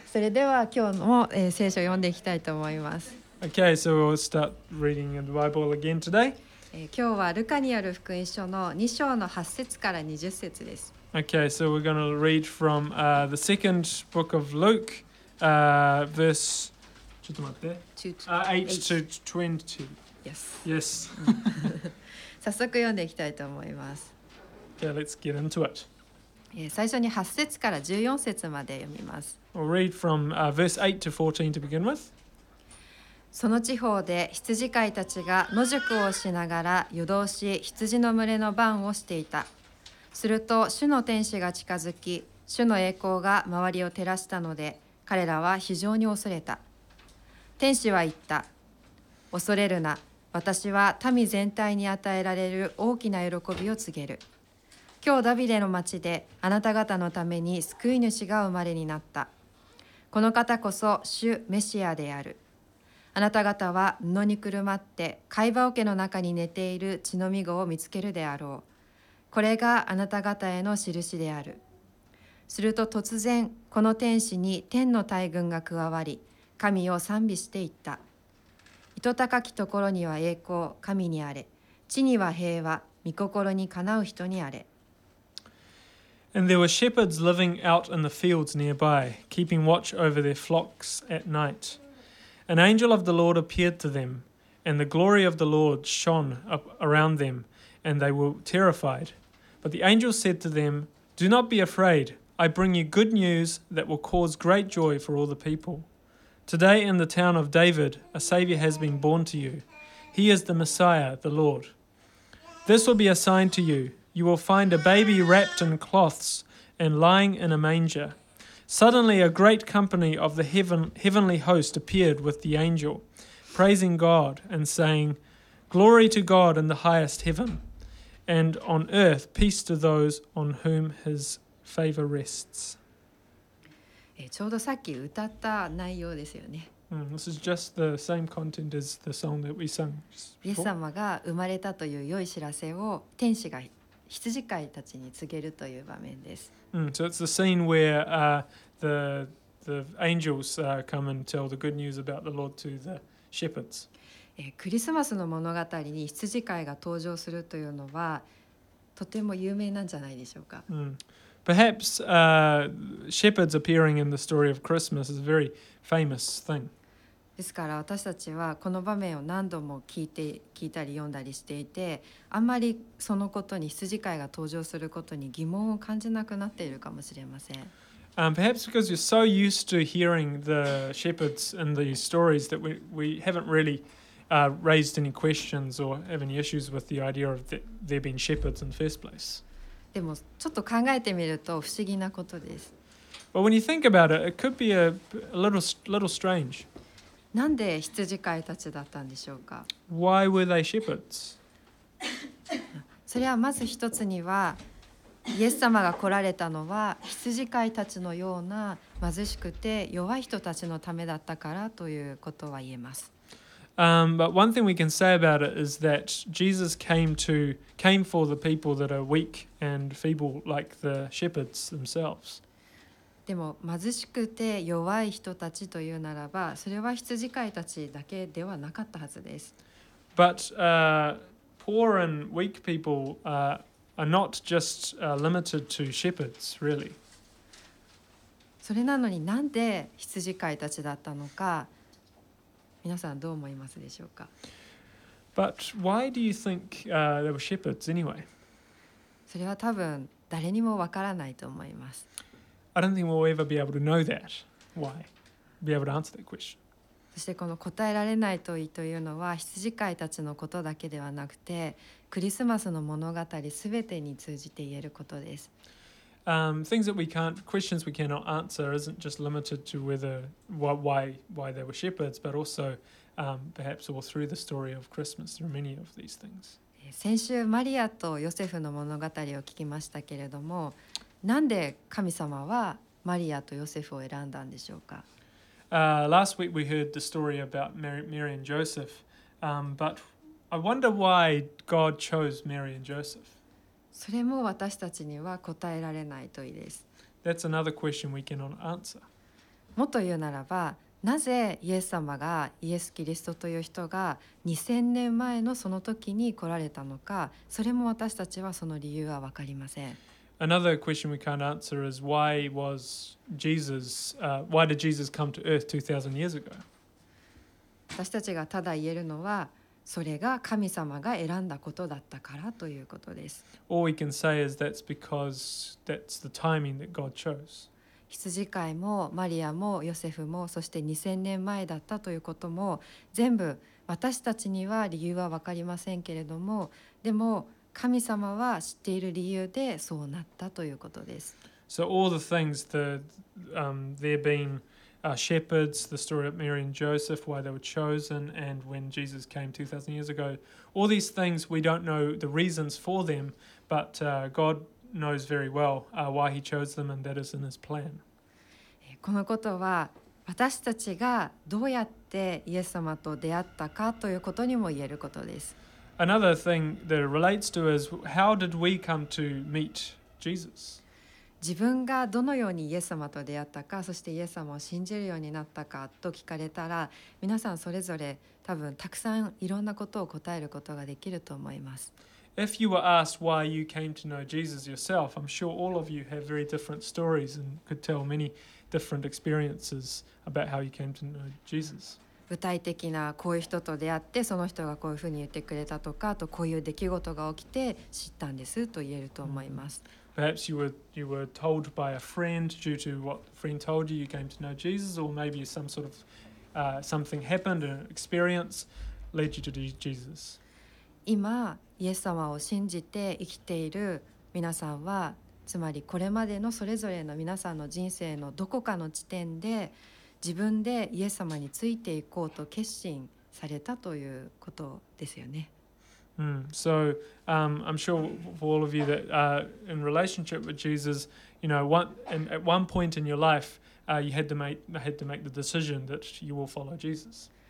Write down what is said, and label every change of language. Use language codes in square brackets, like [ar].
[ja] それでは今日も、聖書を読んでいきたいと思います。 [en] Okay, so we'll start reading the Bible again today. [ja] 今日はルカによる福音書の2章の8節から20節です。 [en] Okay, so we're going to read from the second book of Luke, verse, [ja] ちょっと待って、 [en] 8 to 20. Yes. [ja] 早速読んでいきたいと思います。 [en] Okay, let's get into it. [ja] 最初に8節から14節まで読みます。 [en] We'll read from verse 8 to 14 to begin with. [ja] その地方で羊飼いたちが野宿をしながら夜通し羊の群れの番をしていた。すると主の天使が近づき、主の栄光が周りを照らしたので彼らは非常に恐れた。天使は言った。恐れるな、私は民全体に与えられる大きな喜びを告げる。今日ダビデの町であなた方のために救い主が生まれになった。この方こそ主メシアである。あなた方は布にくるまって貝羽桶の中に寝ている血のみ子を見つけるであろう。これがあなた方への印である。すると突然この天使に天の大軍が加わり、神を賛美していった。糸高きところには栄光神にあれ、地には平和御心にかなう人にあれ。 [en] And there were shepherds living out in the fields nearby, keeping watch over their flocks at night. An angel of the Lord appeared to them, and the glory of the Lord shone up around them, and they were terrified. But the angel said to them, Do not be afraid. I bring you good news that will cause great joy for all the people. Today in the town of David, a Savior has been born to you. He is the Messiah, the Lord. This will be a sign to you. You will find a baby wrapped in cloths and lying in a manger. Suddenly a great company of the heavenly host appeared with the angel, praising God and saying, Glory to God in the highest heaven, and on earth peace to those on whom his favor rests. [ja] ちょうどさっき歌った内容ですよね。 [en] This is just the same content as the song that we sung. [ja] イエス様が生まれたという良い知らせを天使が羊飼いたちに告げるという場面です。 [en] So it's the scene where the angels come and tell the good news about the Lord to the shepherds. [ja] クリスマスの物語に羊飼いが登場するというのはとても有名なんじゃないでしょうか。 [en] Perhaps shepherds appearing in the story of Christmas is a very famous thing. [ja] ですから私たちはこの場面を何度も聞いたり読んだりしていて、あんまりそのことに羊飼いが登場することに疑問を感じなくなっているかもしれません。 [en] Perhaps because you're so used to hearing the shepherds and the stories that we haven't really raised any questions or have any issues with the idea of there being shepherds in the first place. [ja] でもちょっと考えてみると不思議なことです。 [en] But when you think about it, it could be a little strange. [ja] なんで羊飼いたちだったんでしょうか。 [en] Why were they shepherds? [ja] それはまず一つにはイエス様が来られたのは羊飼いたちのような貧しくて弱い人たちのためだったからということは言えます。 [en] But one thing we can say about it is that Jesus came for the people that are weak and feeble like the shepherds themselves. [ja] でも貧しくて弱い人たちというならば、それは羊飼いたちだけではなかったはずです。 [en] But poor and weak people are not just limited to shepherds, really. [ja] それなのになんで羊飼いたちだったのか、皆さんどう思いますでしょうか。 [en] But why do you think there were shepherds anyway? [ja] それは多分誰にもわからないと思います。 [en] I don't think we'll ever be able to know that. Why? Be able to answer that question. [ja] そしてこの答えられない問いというのは羊飼いたちのことだけではなくて、クリスマスの物語すべてに通じて言えることです。 [en] Things that we can't, questions we cannot answer isn't just limited to whether, why they were shepherds, but also perhaps all through the story of Christmas, there are many of these things. [ja] 先週マリアとヨセフの物語を聞きましたけれども、なんで神様はマリアとヨセフを選んだんでしょうか。 [en] Last week we heard the story about Mary and Joseph. But I wonder why God chose Mary and Joseph. [ja] それも私たちには答えられない問いです。 [en] That's another question we cannot answer. [ja] もっと言うならば、なぜイエス様がイエス・キリストという人が2000年前のその時に来られたのか、それも私たちはその理由は分かりません。 [en] Another question we can't answer is why did Jesus come to earth 2000 years ago? [ja] 私たちがただ言えるのは、それが神様が選んだことだったからということです。 [en] All we can say is that's because that's the timing that God chose. [ja] 羊飼いもマリアもヨセフもそして2000年前だったということも全部私たちには理由は分かりませんけれども、でも神様は知っている理由でそうなったということです。 [en] So all the things, there being shepherds, the story of Mary and Joseph, why they were chosen, and when Jesus came 2000 years ago, all these things we don't know the reasons for them, but God knows very well why he chose them, and that is in his plan. [ja] このことは私たちがどうやってイエス様と出会ったかということにも言えることです。 [en] Another thing that it relates to is how did we come to meet Jesus? [ja] 自分がどのようにイエス様と出会ったか、そしてイエス様を信じるようになったかと聞かれたら、皆さんそれぞれ多分たくさんいろんなことを答えることができると思います。 [en] If you were asked why you came to know Jesus yourself, I'm sure all of you have very different stories and could tell many different experiences about how you came to know Jesus. [ja] 具体的なこういう人と出会ってその人がこういうふうに言ってくれたとか、あとこういう出来事が起きて知ったんですと言えると思います。 [en] Perhaps you were told by a friend due to what the friend told you you came to know Jesus, or maybe something happened, an experience led you to Jesus. [ja] 今イエス様を信じて生きている皆さんは、つまりこれまでのそれぞれの皆さんの人生のどこかの地点で自分でイエス様についていこうと決心されたということですよね。 [en] I'm sure for all of you that in relationship with Jesus, you know, at one point in your life, you had to make the decision that you will follow Jesus.